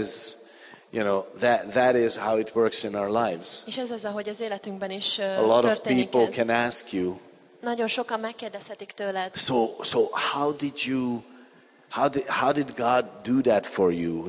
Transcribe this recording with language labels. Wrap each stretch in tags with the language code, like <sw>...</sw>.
<en>And that is how it works in our lives.</en> <hu>És ez az, ahogy az életünkben is történik.</hu> <en>A lot of people can ask you.</en> <hu>Nagyon sokan megkérdezhetik tőled.</hu> <en>So how did God do that for you?</en>